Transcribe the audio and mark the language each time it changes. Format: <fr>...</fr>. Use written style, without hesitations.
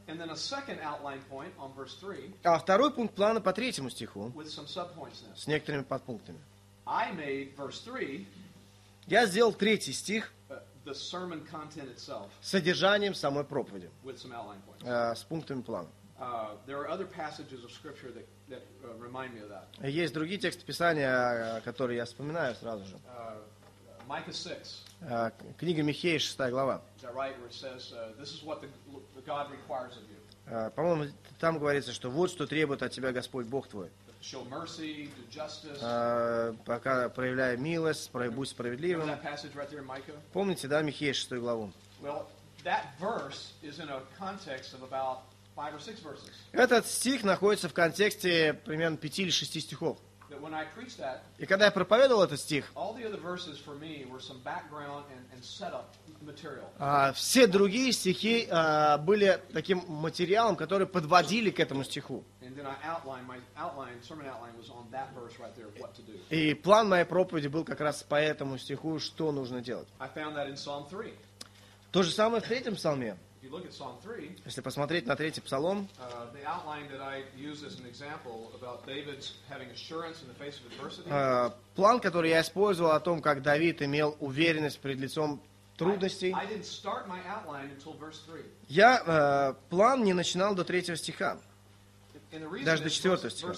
<en>And then a second outline point on verse 3.</en> <ru>А второй пункт плана по третьему стиху.</ru> <en>With some subpoints then.</en> <ru>С некоторыми подпунктами.</ru> <en>I made verse 3.</en> <ru>Я сделал третий стих.</ru> <en>The sermon content itself.</en> <ru>Содержанием самой проповеди.</ru> <en>With some outline points.</en> <ru>С пунктами плана.</ru> <en>There are other passages of scripture that remind me of that.</en> <ru>Есть другие тексты Писания, которые я вспоминаю сразу же.</ru> <en>Micah 6.</en> <ru>Книга Михея, 6 глава.</ru> <en>Is that right, where it says, this is what the God requires of you.</en> <ru>По-моему, там говорится, что вот что требует от тебя Господь Бог твой.</ru> <en>Show mercy, do justice.</en> <ru>Пока проявляй милость, будь справедливым.</ru> <en>That passage right there in Micah?</en> <ru>Помните, да, Михея, 6 главу?</ru> <en>Well, that verse is in a context of about 5 or 6 verses.</en> <ru>Этот стих находится в контексте примерно 5 или 6 стихов.</ru> <en>That when I preached that,</en> <ru>и когда я проповедовал этот стих,</ru> <en>all the other verses for me were some background and setup material.</en> <ru>Все другие стихи были таким материалом, который подводили к этому стиху.</ru> <en>And then I outlined, my outline, sermon outline was on that verse right there, what to do.</en> <ru>И план моей проповеди был как раз по этому стиху, что нужно делать.</ru> <en>I found that in Psalm 3.</en> <ru>То же самое в третьем псалме.</ru> <en>If you look at Psalm 3,</en> <ru>если посмотреть на третий псалом,</ru> <en>the outline that I use as an example about David's having assurance in the face of adversity,</en> <ru>план, который я использовал о том, как Давид имел уверенность перед лицом трудностей,</ru> <en>I didn't start my outline until verse 3.</en> <ru>Я план не начинал до третьего стиха, даже до четвертого стиха.</ru>